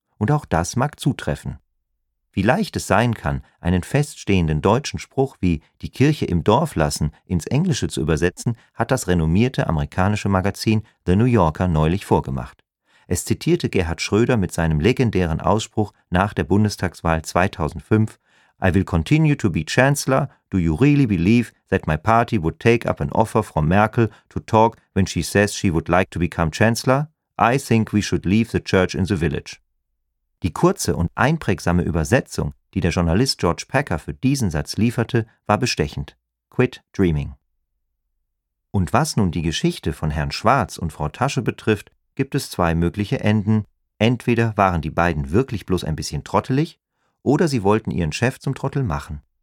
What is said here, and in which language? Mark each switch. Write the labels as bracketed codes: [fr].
[de] Und auch das mag zutreffen. Wie leicht es sein kann, einen feststehenden deutschen Spruch wie die Kirche im Dorf lassen ins Englische zu übersetzen, hat das renommierte amerikanische Magazin The New Yorker neulich vorgemacht. Es zitierte Gerhard Schröder mit seinem legendären Ausspruch nach der Bundestagswahl 2005: [en] I will continue to be Chancellor. Do you really believe that my party would take up an offer from Merkel to talk when she says she would like to become Chancellor? I think we should leave the church in the village. [de] Die kurze und einprägsame Übersetzung, die der Journalist George Packer für diesen Satz lieferte, war bestechend. [en] Quit dreaming. [de] Und was nun die Geschichte von Herrn Schwarz und Frau Tasche betrifft, gibt es zwei mögliche Enden. Entweder waren die beiden wirklich bloß ein bisschen trottelig, oder sie wollten ihren Chef zum Trottel machen.